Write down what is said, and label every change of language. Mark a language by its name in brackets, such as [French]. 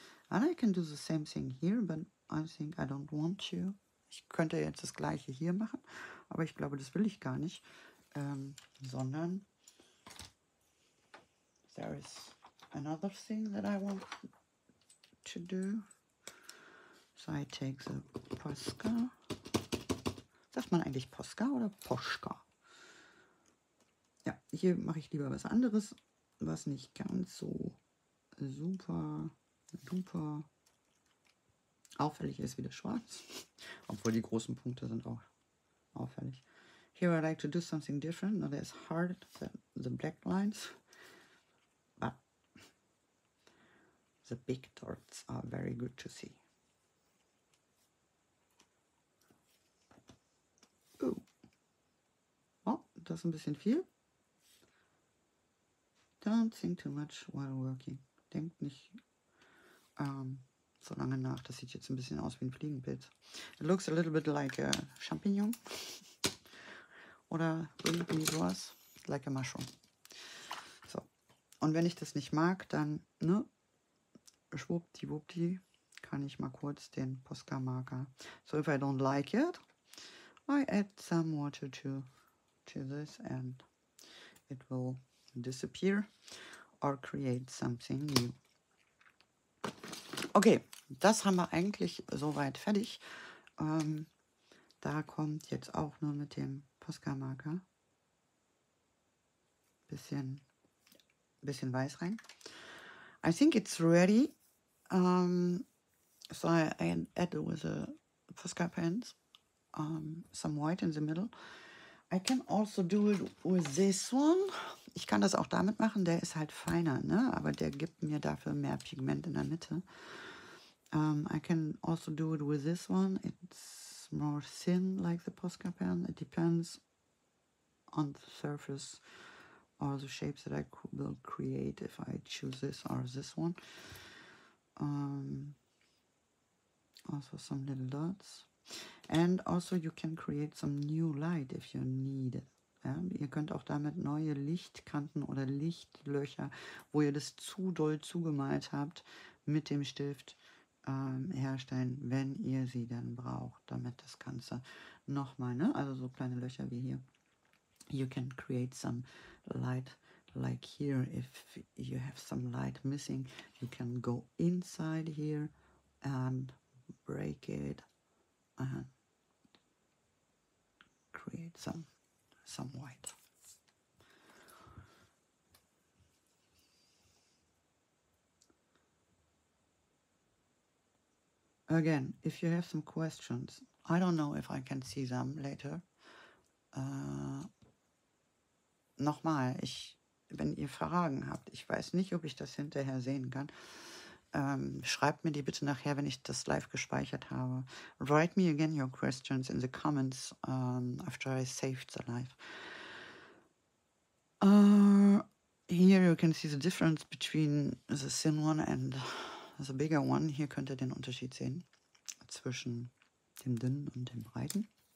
[English] And I can do the same thing here, but I think I don't want to. [German] Ich könnte jetzt das gleiche hier machen, aber ich glaube, das will ich gar nicht. Sondern [English] there is another thing that I want to do. So I take the Posca. [German] Sagt man eigentlich Posca oder Poschka? Ja, hier mache ich lieber was anderes, was nicht ganz so super auffällig ist wie das Schwarz. Obwohl die großen Punkte sind auch auffällig. [English] Here I like to do something different. Not as hard as the black lines, but the big dots are very good to see. [German] Ooh. Oh, das ist ein bisschen viel. [English] Don't think too much while working. [German] Denkt nicht so lange nach. Das sieht jetzt ein bisschen aus wie ein Fliegenbild. [English] It looks a little bit like a champignon. [German] Oder irgendwie sowas, [English] like a mushroom. [German] So. Und wenn ich das nicht mag, dann, ne, schwuppdiwuppdi, kann ich mal kurz den Posca-Marker. [English] So, if I don't like it, I add some water to this and it will disappear or create something new. [German] Okay, das haben wir eigentlich soweit fertig. Da kommt jetzt auch nur mit dem Posca-Marker bisschen weiß rein. [English] I think it's ready. So I add with a Posca pens, some white in the middle. I can also do it with this one. [German] Ich kann das auch damit machen, der ist halt feiner, ne? Aber der gibt mir dafür mehr Pigment in der Mitte. [English] I can also do it with this one. It's more thin like the Posca pen. It depends on the surface or the shapes that I will create if I choose this or this one. Also some little dots. And also you can create some new light if you need it. [German] Ja, ihr könnt auch damit neue Lichtkanten oder Lichtlöcher, wo ihr das zu doll zugemalt habt, mit dem Stift herstellen, wenn ihr sie dann braucht, damit das Ganze nochmal, ne? Also so kleine Löcher wie hier. [English] You can create some light like here. If you have some light missing, you can go inside here and break it and create some white. Again, if you have some questions, I don't know if I can see them later. [German] Nochmal, wenn ihr Fragen habt, ich weiß nicht, ob ich das hinterher sehen kann, schreibt mir die bitte nachher, wenn ich das live gespeichert habe. [English] Write me again your questions in the comments after I saved the live. Here you can see the difference between the thin one and the bigger one. [German] Hier könnt ihr den Unterschied sehen zwischen dem dünnen und dem breiten.